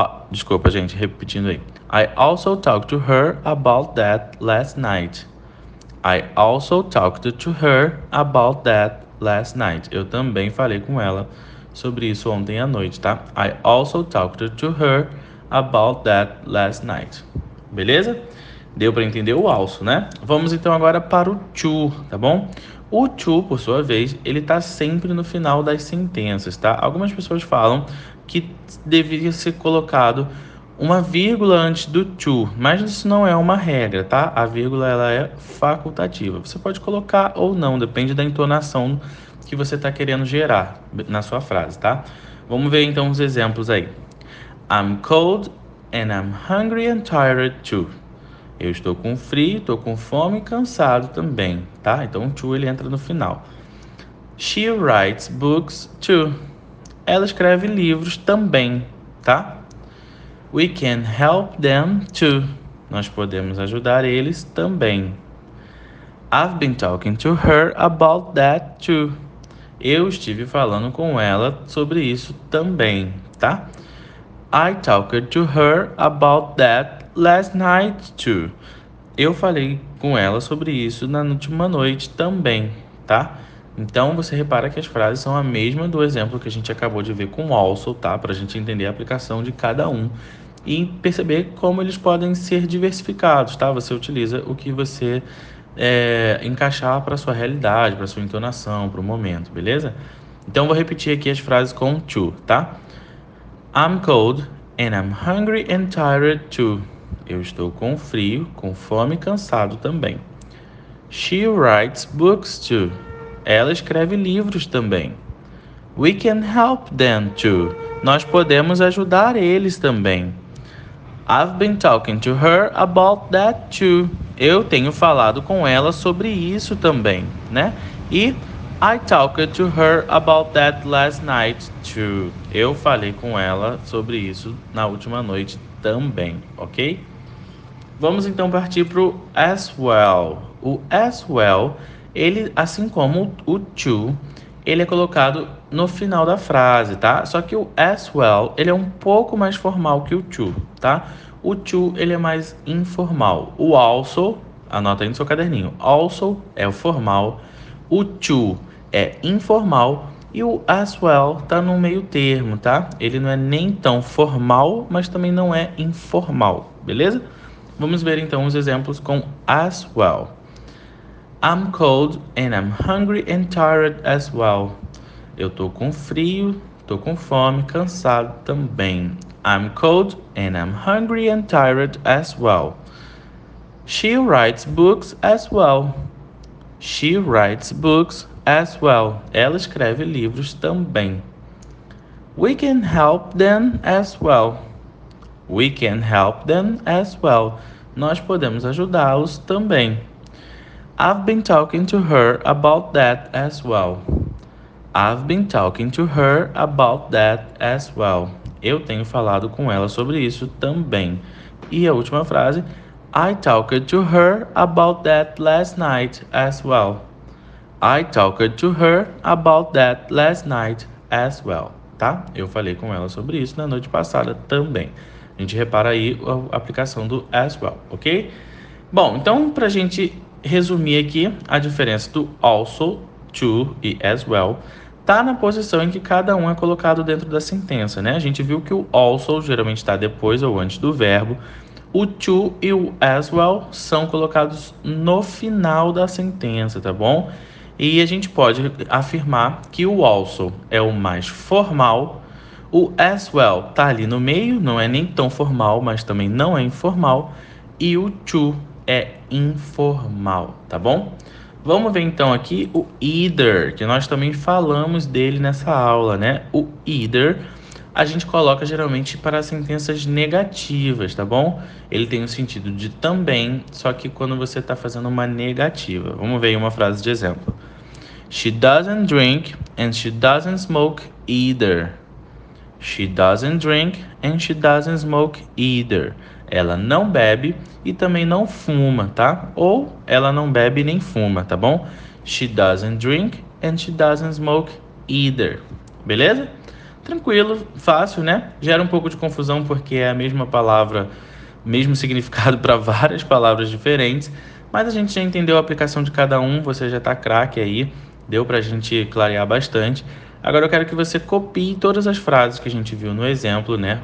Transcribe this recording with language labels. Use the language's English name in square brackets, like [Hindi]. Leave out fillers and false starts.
[Portuguese] Desculpa, gente, repetindo aí. [English] I also talked to her about that last night. I also talked to her about that last night. [Portuguese] Eu também falei com ela sobre isso ontem à noite, tá? [English] I also talked to her about that last night. [Portuguese] Beleza? Deu para entender o also, né? Vamos então agora para o to, tá bom? O to, por sua vez, ele tá sempre no final das sentenças, tá? Algumas pessoas falam que deveria ser colocado uma vírgula antes do to, mas isso não é uma regra, tá? A vírgula ela é facultativa. Você pode colocar ou não, depende da entonação que você está querendo gerar na sua frase, tá? Vamos ver então os exemplos aí. [English] I'm cold and I'm hungry and tired too. [Portuguese] Eu estou com frio, estou com fome e cansado também, tá? Então o to ele entra no final. [English] She writes books too. [Portuguese] Ela escreve livros também, tá? [English] We can help them too. [Portuguese] Nós podemos ajudar eles também. [English] I've been talking to her about that too. [Portuguese] Eu estive falando com ela sobre isso também, tá? [English] I talked to her about that last night too. [Portuguese] Eu falei com ela sobre isso na última noite também, tá? Então você repara que as frases são a mesma do exemplo que a gente acabou de ver com o also, tá? Para a gente entender a aplicação de cada um. E perceber como eles podem ser diversificados, tá? Você utiliza o que você encaixar para sua realidade, para sua entonação, para o momento, beleza? Então vou repetir aqui as frases com to, tá? [English] I'm cold and I'm hungry and tired too. [Portuguese] Eu estou com frio, com fome e cansado também. [English] She writes books too. [Portuguese] Ela escreve livros também. [English] We can help them too. [Portuguese] Nós podemos ajudar eles também. [English] I've been talking to her about that too. [Portuguese] Eu tenho falado com ela sobre isso também, né? [English] E I talked to her about that last night too. [Portuguese] Eu falei com ela sobre isso na última noite também, ok? Vamos então partir para o as well. O as well, ele, assim como o to, ele é colocado no final da frase, tá? Só que o as well, ele é um pouco mais formal que o to, tá? O to, ele é mais informal. O also, anota aí no seu caderninho. Also é o formal. O to é informal. E o as well tá no meio termo, tá? Ele não é nem tão formal, mas também não é informal, beleza? Vamos ver então os exemplos com as well. [English] I'm cold and I'm hungry and tired as well. [Portuguese] Eu tô com frio, tô com fome, cansado também. [English] I'm cold and I'm hungry and tired as well. She writes books as well. She writes books as well. [Portuguese] Ela escreve livros também. [English] We can help them as well. We can help them as well. [Portuguese] Nós podemos ajudá-los também. [English] I've been talking to her about that as well. I've been talking to her about that as well. [Portuguese] Eu tenho falado com ela sobre isso também. E a última frase, [English] I talked to her about that last night as well. I talked to her about that last night as well. [Portuguese] Tá? Eu falei com ela sobre isso na noite passada também. A gente repara aí a aplicação do as well, ok? Bom, então, para a gente resumir aqui, a diferença do also, to e as well tá na posição em que cada um é colocado dentro da sentença, né? A gente viu que o also geralmente está depois ou antes do verbo. O to e o as well são colocados no final da sentença, tá bom? E a gente pode afirmar que o also é o mais formal, o as well tá ali no meio, não é nem tão formal, mas também não é informal, e o to é informal, tá bom? Vamos ver então aqui o either, que nós também falamos dele nessa aula, né? O either a gente coloca geralmente para sentenças negativas, tá bom? Ele tem o sentido de também, só que quando você está fazendo uma negativa. Vamos ver aí uma frase de exemplo. [English] She doesn't drink and she doesn't smoke either. She doesn't drink and she doesn't smoke either. [Portuguese] Ela não bebe e também não fuma, tá? Ou ela não bebe nem fuma, tá bom? [English] She doesn't drink and she doesn't smoke either. [Portuguese] Beleza? Tranquilo, fácil, né? Gera um pouco de confusão porque é a mesma palavra, mesmo significado para várias palavras diferentes. Mas a gente já entendeu a aplicação de cada um, você já tá craque aí. Deu para a gente clarear bastante. Agora eu quero que você copie todas as frases que a gente viu no exemplo, né?